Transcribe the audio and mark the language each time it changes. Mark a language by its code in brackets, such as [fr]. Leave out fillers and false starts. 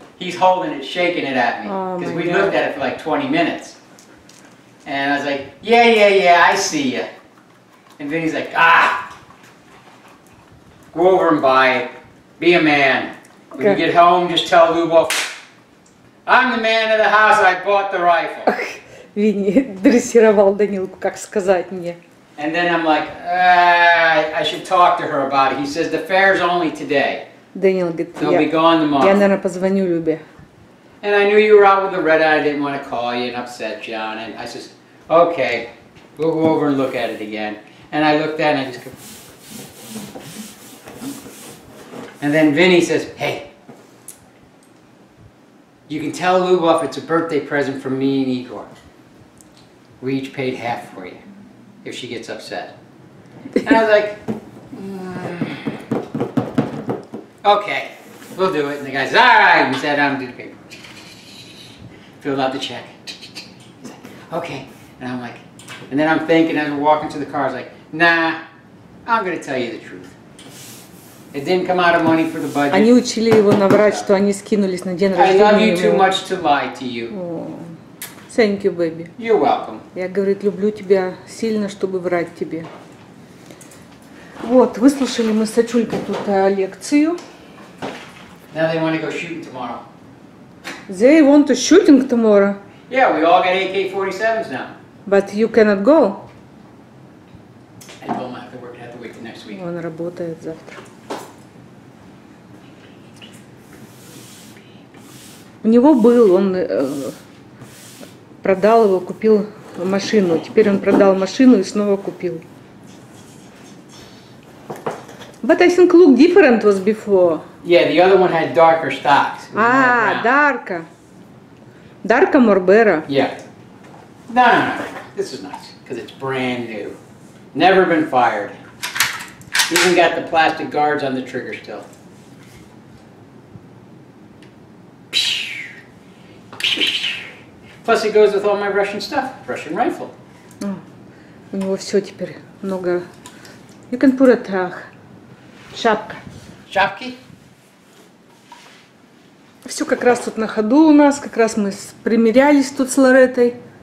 [en] He's holding it, shaking it at me. Because we looked at it for like 20 minutes. And I was like, yeah, I see you. And Vinny's like, ah, go over and buy it. Be a man. When you get home, just tell Lyubov, I'm the man of the house, I bought the rifle. [ru] Винни дрессировал Данилку, как сказать мне. [en] And then I'm like, I should talk to her about it. He says, the fair's only today. [ru] Данил говорит, [en] they'll be gone tomorrow. [ru] Я, наверное, позвоню Любе. [en] And I knew you were out with the red eye. I didn't want to call you and upset you. And I says, okay, we'll go over and look at it again. And I looked at it and I just go. And then Vinny says, hey, you can tell Lyubov it's a birthday present from me and Igor. We each paid half for you, if she gets upset. And I was like, okay, we'll do it. And the guy says, all right, and sat down and did the paper. Filled out the check. He's like, okay. And I'm like, and then I'm thinking, as we're walking to the car, I was like, nah, I'm going to tell you the truth. It didn't come out of money for the budget. [ru] Они учили его наврать, что они скинулись на день рождения. [en] I love you too much to lie to you. Thank you, baby. You're welcome. [ru] Я, говорит, люблю тебя сильно, чтобы врать тебе. Вот, выслушали мы с Сачулькой тут лекцию. [en] Now they want to go shooting tomorrow. They want to shooting tomorrow? Yeah, we all got AK-47s now. But you cannot go. I don't have to work, I have to wait till next week. [ru] Он работает завтра. У него был, он... Продал его, купил машину. Теперь он продал машину и снова купил. [en] But I think look different was before. Yeah, the other one had darker stocks. Ah, darker. Darker more better. Yeah. No. This is nice, because it's brand new. Never been fired. Even got the plastic guards on the trigger still. Plus it goes with all my Russian stuff, Russian rifle. [ru] У него все теперь много. [en] You can put it шапка. [ru] Шапки? Все как раз тут на ходу у нас, как раз мы примерялись тут с Лоретой.